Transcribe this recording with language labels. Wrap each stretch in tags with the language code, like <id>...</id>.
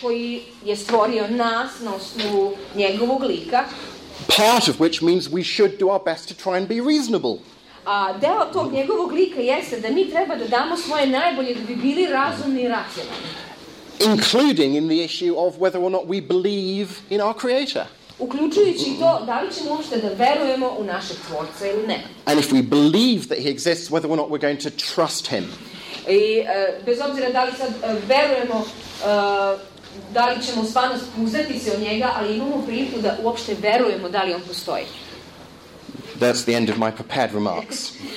<sr>Koji je stvorio nas na osnovu njegovog lika.</sr> <en>Part of which means we should do our best to try and be reasonable.</en> <sr>A deo tog njegovog lika jeste da mi treba da damo svoje najbolje da bi bili razumni I racionalni.</sr> <en>Including in the issue of whether or not we believe in our creator.</en> <sr>Uključujući to, da li ćemo uopšte da verujemo u našeg tvorca ili ne.</sr> <en>And if we believe that he exists, whether or not we're going to trust him.</en> <sr>I bez obzira da li sad verujemo, da li ćemo stvarno spuzati se od njega, ali imamo priliku da uopšte verujemo da li on postoji.</sr> <en>That's the end of my prepared remarks.</en>